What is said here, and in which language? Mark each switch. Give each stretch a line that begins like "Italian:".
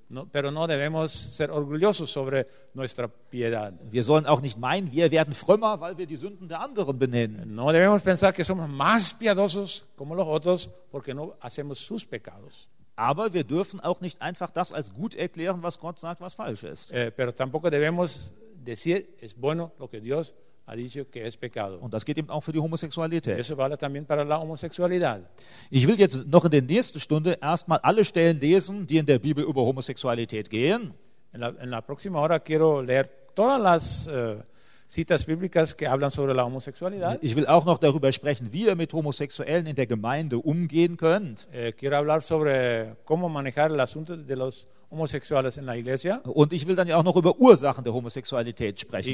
Spanish: No, pero no debemos ser orgullosos sobre nuestra piedad.
German: Wir sollen auch nicht meinen, wir werden frömmer, weil wir die Sünden der anderen benennen.
Spanish: No debemos pensar que somos más piadosos como los otros porque no hacemos sus pecados.
German: Aber wir dürfen auch nicht einfach das als gut erklären, was Gott sagt, was falsch ist.
Spanish: Pero tampoco debemos decir es bueno lo que Dios ha dicho que es pecado.
German: Und das geht eben auch für die Homosexualität.
Spanish: Eso vale también para la homosexualidad.
German: Ich will jetzt noch in der nächsten Stunde erstmal alle Stellen lesen, die in der Bibel über Homosexualität gehen.
Spanish: En la próxima hora quiero leer todas las citas bíblicas que hablan sobre la homosexualidad.
German: Ich will auch noch darüber sprechen, wie ihr mit Homosexuellen in der Gemeinde umgehen könnt.
Spanish: Quiero hablar sobre cómo manejar el asunto de los homosexuales en la iglesia.
German: Und ich will dann ja auch noch über Ursachen der Homosexualität sprechen.